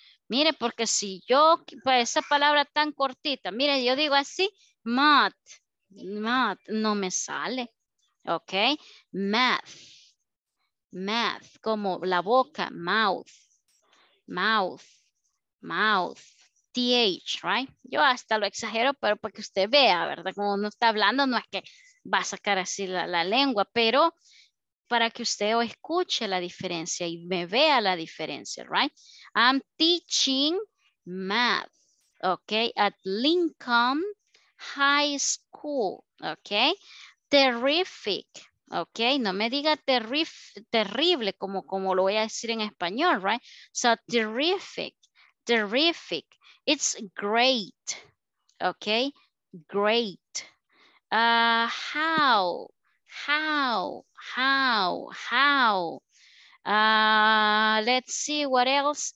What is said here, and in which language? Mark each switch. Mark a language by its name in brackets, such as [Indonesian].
[Spanish] Mire, porque si yo, pues esa palabra tan cortita, mire, yo digo así, math, math, no me sale, ok, math, math, como la boca, mouth, mouth, mouth, th, right, yo hasta lo exagero, pero para que usted vea, verdad, como uno está hablando, no es que va a sacar así la, la lengua, pero para que usted escuche la diferencia y me vea la diferencia, right? [English] I'm teaching math, okay, at Lincoln High School, okay? Terrific, okay? [Spanish] No me diga terrible como, como lo voy a decir en español, right? [English] So, terrific, terrific. It's great, okay? Great. How? Let's see what else.